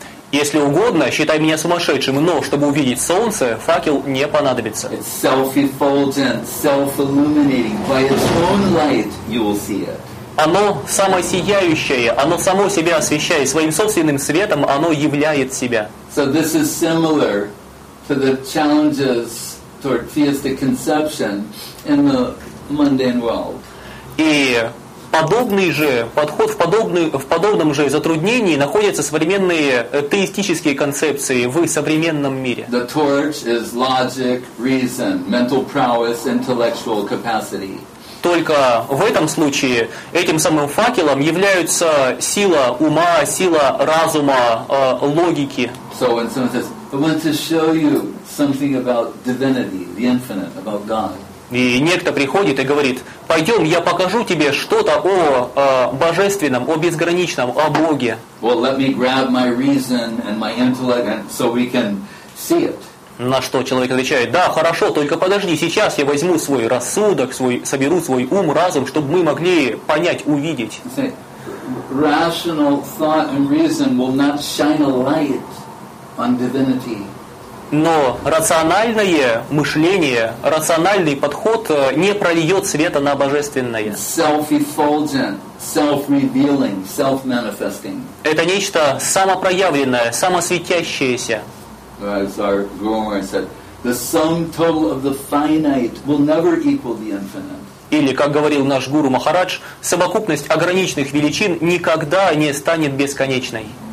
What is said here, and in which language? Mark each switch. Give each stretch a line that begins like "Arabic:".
Russian: Если угодно, считай меня сумасшедшим, но чтобы увидеть солнце, факел не понадобится.
English: It's self-effulgent, self-illuminating. By its own light, you will see it.
Russian: Оно самосияющее, оно само себя освещает. Своим собственным светом оно являет себя.
English: So this is similar to the challenges toward theistic conception in the mundane world.
Russian: И подобный же подход, в подобном же затруднении находятся современные теистические концепции в современном мире.
English: The torch is logic, reason, mental prowess, intellectual capacity.
Russian: Только в этом случае этим самым факелом являются сила ума, сила разума, логики.
English: So when someone says, "I want to show you something about divinity, the infinite, about God."
Russian: И некто приходит и говорит: «Пойдем, я покажу тебе что-то о божественном, о безграничном, о Боге».
English: Well, let me grab my reason and my intellect so we can see it.
Russian: На что человек отвечает: «Да, хорошо, только подожди, сейчас я возьму свой рассудок, соберу свой ум, разум, чтобы мы могли понять, увидеть».
English: Rational thought and reason will not shine a light on divinity.
Russian: Но рациональное мышление, рациональный подход не прольет света на божественное.
English: Self-effulgent, self-revealing, self-manifesting.
Russian: Это нечто самопроявленное, самосветящееся.
English: As our Guru Maharaj said, the sum total of the finite will never equal the infinite.
Russian: Или, как говорил наш Гуру Махарадж, совокупность ограниченных величин никогда не станет бесконечной.